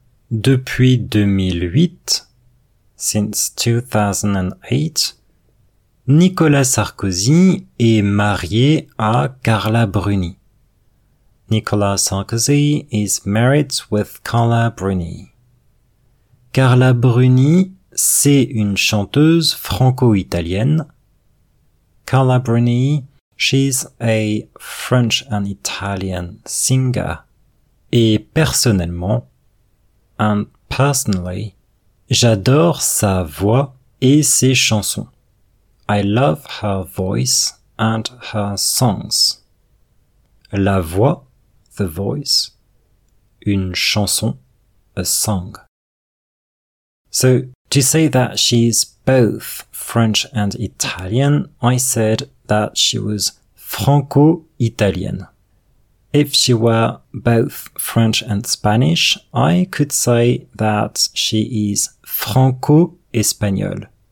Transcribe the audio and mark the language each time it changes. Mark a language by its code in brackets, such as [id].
[fr] Depuis 2008, [en] since 2008, [fr] Nicolas Sarkozy est marié à Carla Bruni. [en] Nicolas Sarkozy is married with Carla Bruni. [fr] Carla Bruni, c'est une chanteuse franco-italienne. [en] Carla Bruni, she's a French and Italian singer. [fr] Et personnellement, [en] and personally, [fr] j'adore sa voix et ses chansons. [en] I love her voice and her songs. [fr] La voix, [en] the voice, [fr] une chanson, [en] a song. So, to say that she's both French and Italian, I said that she was franco-italienne. If she were both French and Spanish, I could say that she is franco-espagnole.